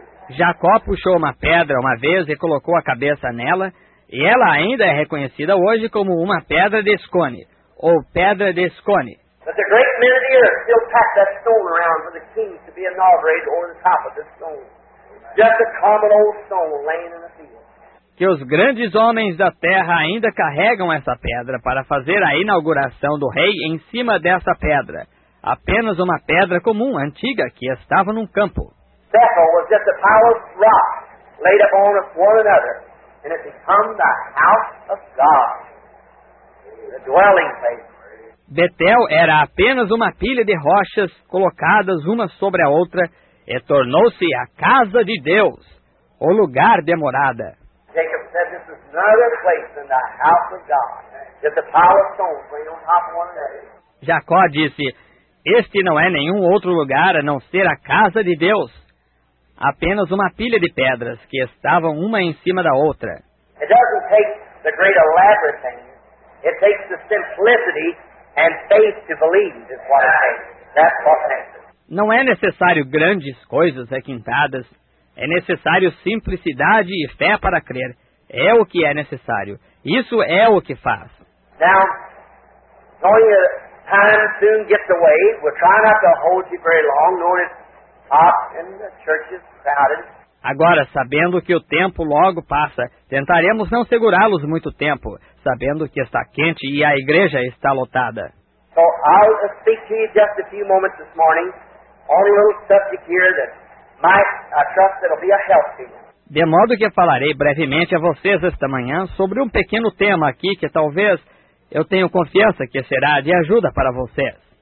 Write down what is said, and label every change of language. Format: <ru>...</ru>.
<pt>Jacó puxou uma pedra uma vez e colocou a cabeça nela, e ela ainda é reconhecida hoje como uma pedra de Escone, ou pedra de Escone.</pt> <en>But the great men of the earth still pack that stone around for the king to be inaugurated over the top of this stone. Just a common old stone laying in the field.</en> <pt>Que os grandes homens da terra ainda carregam essa pedra para fazer a inauguração do rei em cima dessa pedra. Apenas uma pedra comum, antiga, que estava num campo.</pt> <en>Bethel was just a pile of rock laid upon one another, and it became the house of God, the dwelling place.</en> <pt>Betel era apenas uma pilha de rochas colocadas uma sobre a outra e tornou-se a casa de Deus, o lugar de morada.</pt> <en>Jacob said this is another place than the house of God, that the pile of stones lay on top of one another.</en> <pt>Jacó disse, este não é nenhum outro lugar a não ser a casa de Deus, apenas uma pilha de pedras que estavam uma em cima da outra.</pt> <en>It doesn't take the great elaborate thing, it takes the simplicity. And faith to believe is what it takes. That's what it takes.</en> <pt>Não é necessário grandes coisas requintadas. É necessário simplicidade e fé para crer. É o que é necessário. Isso é o que faz.</pt> <en>Now, knowing your time soon gets away, we're trying not to hold you very long, knowing it's hot and the church is crowded.</en> <pt>Agora, sabendo que o tempo logo passa, tentaremos não segurá-los muito tempo, sabendo que está quente e a igreja está lotada.</pt> <en>So I'll speak to you just a few moments this morning on a little subject here that might, I trust it'll be a help to you.</en> <pt>De modo que falarei brevemente a vocês esta manhã sobre um pequeno tema aqui que talvez eu tenho confiança que será de ajuda para vocês.</pt>